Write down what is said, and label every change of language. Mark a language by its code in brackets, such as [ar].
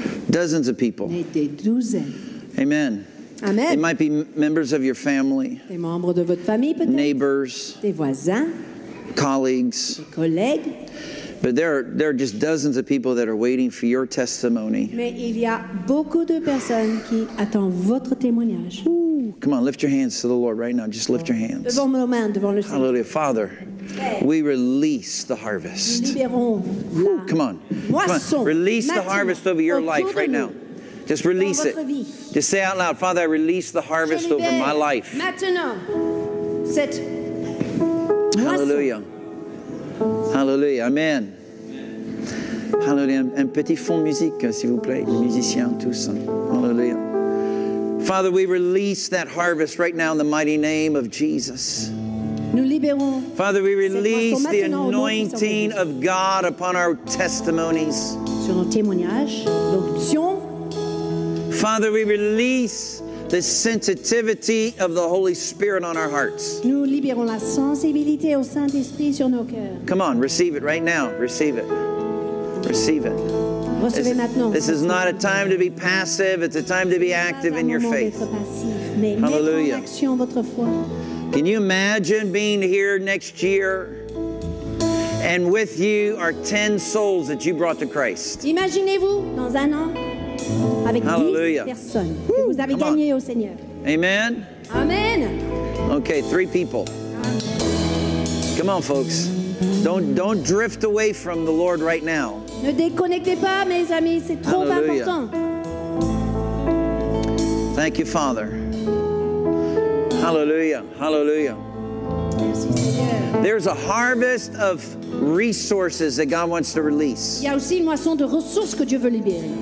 [en] Dozens of people. [fr] Mais des douzaines. [en] Amen. Amen. It might be members of your family, [fr] des membres de votre famille, peut-être. [en] Neighbors, [fr] des voisins, [en] colleagues, [fr] des collègues. [en] But there are just dozens of people that are waiting for your testimony. [fr] Mais il y a beaucoup de personnes qui attendent votre témoignage. [en] Ooh, come on, lift your hands to the Lord right now. Just lift your hands. [fr] Devant nos mains, devant le Seigneur. [en] Hallelujah. Father, we release the harvest. [fr] Libérons la [en] Ooh, come on. [fr] Moisson. [en] Come on. Release the harvest over your life right now. Just release it. [fr] Vie. [en] Just say out loud, Father, I release the harvest over my life. [fr] Maintenant. [en] Hallelujah. Hallelujah. Amen. Hallelujah. [fr] Un petit fond musique, s'il vous plaît. Les musiciens, tous. Hallelujah. [en] Father, we release that harvest right now in the mighty name of Jesus. [fr] Nous libérons. [en] Father, we release the anointing of God upon our testimonies. [fr] Sur nos témoignages, l'onction. [en] Father, we release the sensitivity of the Holy Spirit on our hearts. [fr] Nous libérons la sensibilité au Saint-Esprit sur nos cœurs. [en] Come on, receive it right now. Receive it. Receive it. [fr] Recevez maintenant. [en] This is not a time to be passive. It's a time to be active in your faith. Hallelujah. Can you imagine being here next year? And with you are 10 souls that you brought to Christ. [fr] Imaginez-vous dans un an. Avec [en] Hallelujah. [fr] Que vous avez gagné au Seigneur. [en] Amen. Amen. Okay, 3 people. Amen. Come on, folks. Don't drift away from the Lord right now. [fr] Ne déconnectez pas, mes amis. C'est trop [en] Hallelujah. [fr] Important. [en] Thank you, Father. Hallelujah. Hallelujah. There's a harvest of resources that God wants to release. [fr] Il y a aussi une moisson de ressources que Dieu veut libérer.